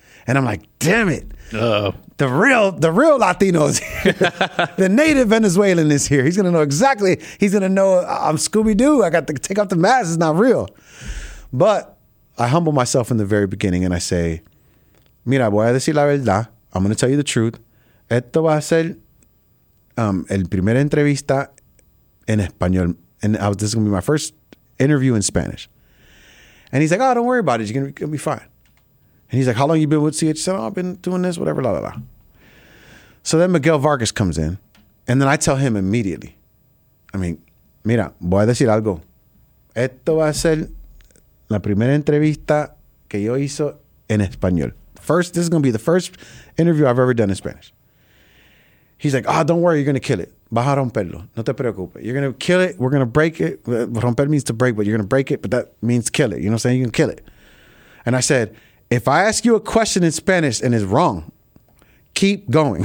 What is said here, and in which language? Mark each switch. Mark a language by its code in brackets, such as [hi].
[en] And I'm like, damn it. The real Latino is here. The native Venezuelan is here. He's going to know exactly. He's going to know I'm Scooby-Doo. I got to take off the mask. It's not real. But I humble myself in the very beginning and I say, [es] mira, voy a decir la verdad. [en] I'm going to tell you the truth. [es] Esto va a ser el primer entrevista en español. [en] And this is going to be my first interview in Spanish. And he's like, oh, don't worry about it. You're going to be fine. And he's like, how long you been with CH? I said, oh, I've been doing this, whatever, la, la, la. So then Miguel Vargas comes in. And then I tell him immediately. I mean, [es] mira, voy a decir algo. Esto va a ser la primera entrevista que yo hizo en español. [en] This is going to be the first interview I've ever done in Spanish. He's like, oh, don't worry. You're going to kill it. [es] Baja romperlo. No te preocupes. [en] You're going to kill it. We're going to break it. Romper means to break, but you're going to break it. But that means kill it. You know what I'm saying? You can kill it. And I said, if I ask you a question in Spanish and it's wrong, keep going.